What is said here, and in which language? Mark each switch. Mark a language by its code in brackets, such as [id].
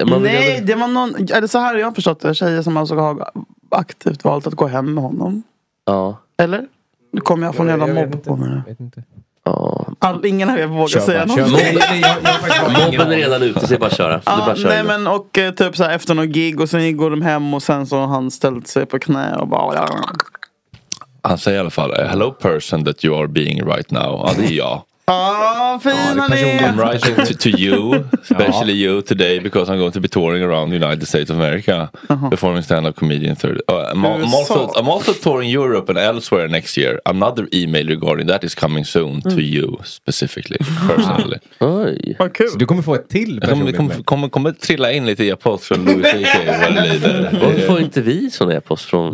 [sv] Det var någon, är det så här jag har förstått det? Tjejer som alltså har aktivt valt att gå hem med honom. Ja. Eller? Nu kommer jag få en jävla mobb på mig. Ingen har vågat säga någonting. Mobben är redan ute, så jag bara köra. Men och typ så här, efter någon gig och sen går de hem och sen så har han ställt sig på knä och bara... Han säger i alla fall, [en] hello person that you are being right now. [sv] Ja, det är jag. [en] I'm writing to you, especially you today, because I'm going to be touring around the United States of America, performing stand-up comedian. I'm also touring Europe and elsewhere next year. Another email regarding that is coming soon to you specifically, personally. [sv] Vad kul. Så du kommer få ett till personligt mejl. Kommer trilla in lite e-post från Louis CK. Varför får inte vi sån e-post från?